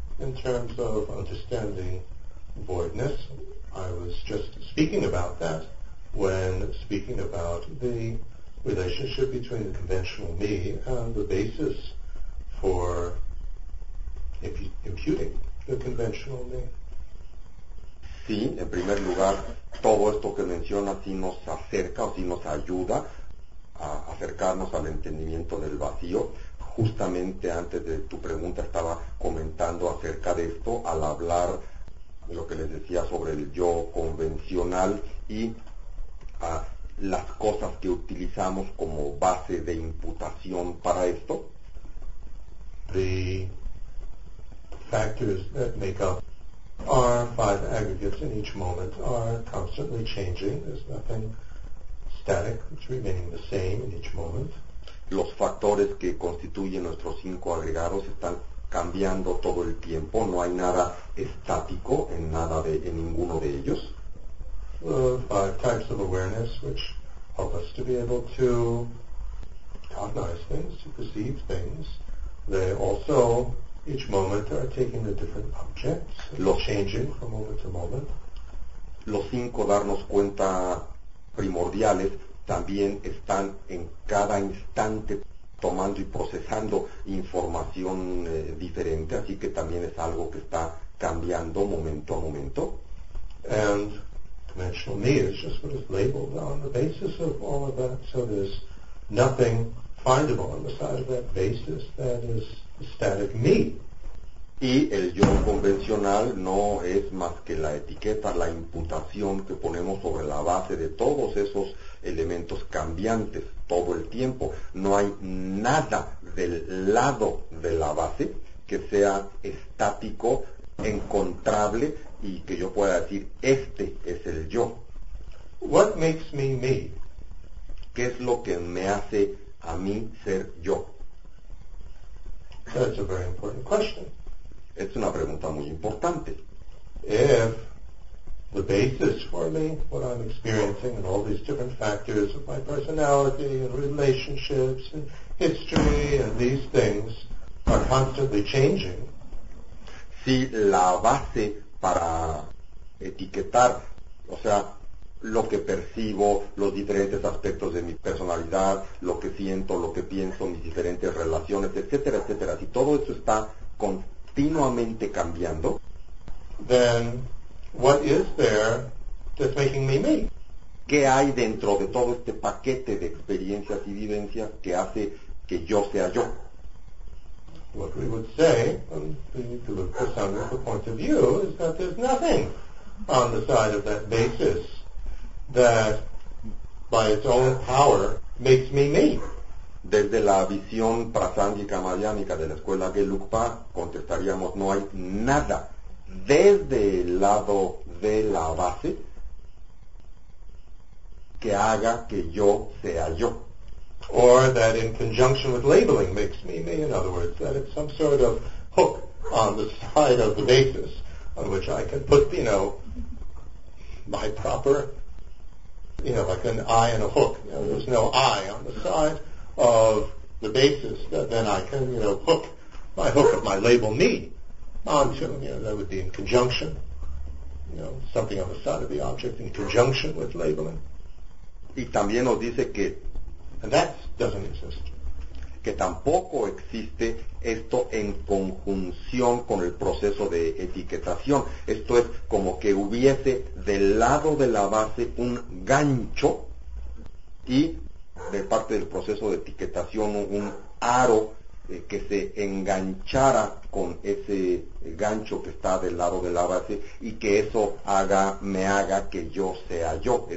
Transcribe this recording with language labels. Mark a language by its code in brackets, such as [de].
[en] in terms of understanding voidness. I was just speaking about that when speaking about the relationship between the conventional me and the basis for imputing the conventional me. [es] Sí, en primer lugar, todo esto que menciona sí nos acerca o sí nos ayuda a acercarnos al entendimiento del vacío. Justamente antes de tu pregunta estaba comentando acerca de esto al hablar de lo que les decía sobre el yo convencional y las cosas que utilizamos como base de imputación para esto. [en] The factors that make up our five aggregates in each moment are constantly changing. There's nothing static, it's remaining the same in each moment. [es] Los factores que constituyen nuestros cinco agregados están cambiando todo el tiempo, no hay nada estático en ninguno de ellos. [en] The five types of awareness which help us to be able to cognize things, to perceive things, they also each moment are taking the different objects, changing from moment to moment. [es] Los cinco darnos cuenta primordiales también están en cada instante tomando y procesando información diferente, así que también es algo que está cambiando momento a momento. [en] And conventional me is just what is labeled on the basis of all of that, so there's nothing findable on the side of that basis that is static me. [es] Y el yo convencional no es más que la etiqueta, la imputación que ponemos sobre la base de todos esos elementos cambiantes todo el tiempo. No hay nada del lado de la base que sea estático, encontrable, y que yo pueda decir, este es el yo. [en] What makes me me? [es] ¿Qué es lo que me hace a mí ser yo? [en] That's a very important question. [es] Es una pregunta muy importante. [en] If the basis for me, what I'm experiencing, and all these different factors of my personality and relationships and history and these things are constantly changing. [es] Si la base para etiquetar, o sea, lo que percibo, los diferentes aspectos de mi personalidad, lo que siento, lo que pienso, mis diferentes relaciones, etcétera, etcétera. Si todo eso está continuamente cambiando, [en] then what is there that's making me me? [es] ¿Qué hay dentro de todo este paquete de experiencias y vivencias que hace que yo sea yo? [en] What we would say, and we need to look for some of the point of view, is that there's nothing on the side of that basis that by its own power makes me me. [es] Desde la visión prasángica mayánica de la escuela Gelugpa, contestaríamos, no hay nada desde el lado de la base que haga que yo sea yo. [en] Or that in conjunction with labeling makes me me, in other words, that it's some sort of hook on the side of the basis on which I can put, you know, my proper, you know, like an eye and a hook. You know, there's no eye on the side of the basis that then I can, you know, hook my hook of my label me onto, you know, that would be in conjunction, you know, something on the side of the object in conjunction with labeling. [es] Y también nos dice que, [en] and that doesn't exist. [es] Que tampoco existe esto en conjunción con el proceso de etiquetación. Esto es como que hubiese del lado de la base un gancho y de parte del proceso de etiquetación un aro que se enganchara con ese gancho que está del lado de la base y que eso haga, me haga que yo sea yo.